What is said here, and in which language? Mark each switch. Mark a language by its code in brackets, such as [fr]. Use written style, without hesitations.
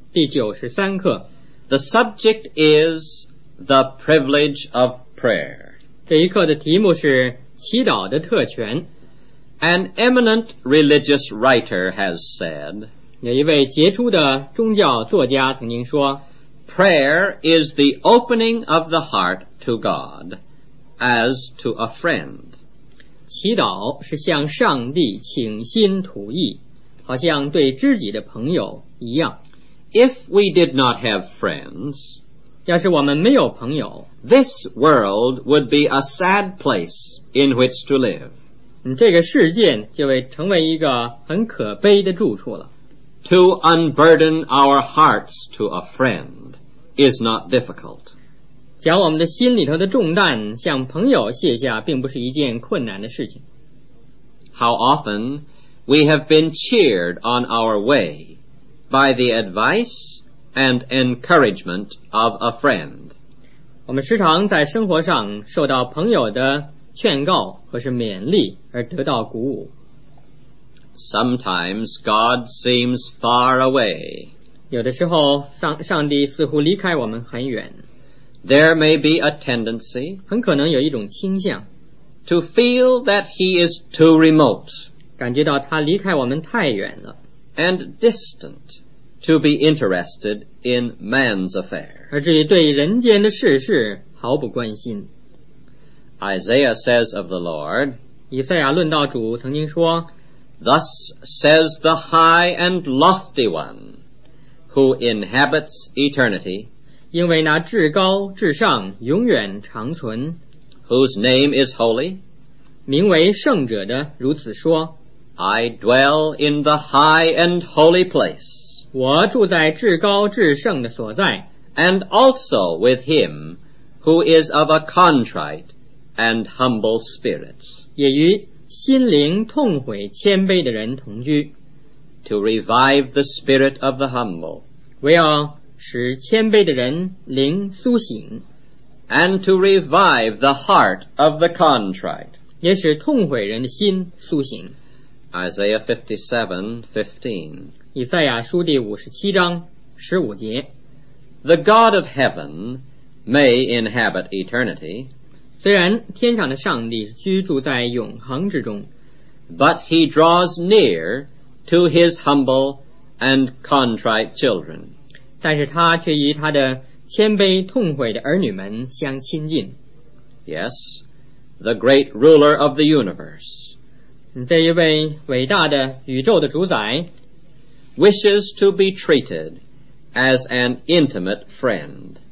[zh] 第93课。 [en] The subject is the privilege of prayer. [zh] 这一课的题目是祈祷的特权。 [en] An eminent religious writer has said, [zh] 有一位杰出的宗教作家曾经说， [en] Prayer is the opening of the heart to God as to a friend. [zh] 祈祷是向上帝倾心吐意，好像对知己的朋友一样。 [en] If we did not have friends, [zh] 要是我们没有朋友， [en] This world would be a sad place in which to live. [zh] 这个世界就会成为一个很可悲的住处了。 [en] To unburden our hearts to a friend is not difficult. [zh] 将我们的心里头的重担向朋友卸下并不是一件困难的事情。 [en] How often we have been cheered on our way by the advice and encouragement of a friend. [zh] 我们时常在生活上受到朋友的劝告或是勉励而得到鼓舞。 [en] Sometimes God seems far away. [zh] 有的时候上帝似乎离开我们很远。 [en] There may be a tendency, [zh] 很可能有一种倾向， [en] to feel that he is too remote, [zh] 感觉到他离开我们太远了， [en] and distant to be interested in man's affair, [zh] 而至于对人间的事事毫不关心。 [en] Isaiah says of the Lord, [zh] 以赛亚论道主曾经说， [en] Thus says the high and lofty one who inhabits eternity, [zh] 因为那至高至上永远长存， [en] whose name is holy, [zh] 名为圣者的如此说， [en] I dwell in the high and holy place, [zh] 我住在至高至圣的所在， [en] and also with him who is of a contrite and humble spirits, [zh] 也与心灵痛悔谦卑的人同居， [en] to revive the spirit of the humble, [zh] 为要使谦卑的人灵苏醒， [en] and to revive the heart of the contrite, [zh] 也使痛悔人的心苏醒。 [en] Isaiah 57:15, [zh] 以赛亚书第57章15节， [en] The God of heaven may inhabit eternity, [zh] 虽然天上的上帝居住在永恒之中， [en] But he draws near to his humble and contrite children, [zh] 但是他却与他的谦卑痛悔的儿女们相亲近。 [en] Yes, the great ruler of the universe, [zh] 这一位伟大的宇宙的主宰， [en] wishes to be treated as an intimate friend,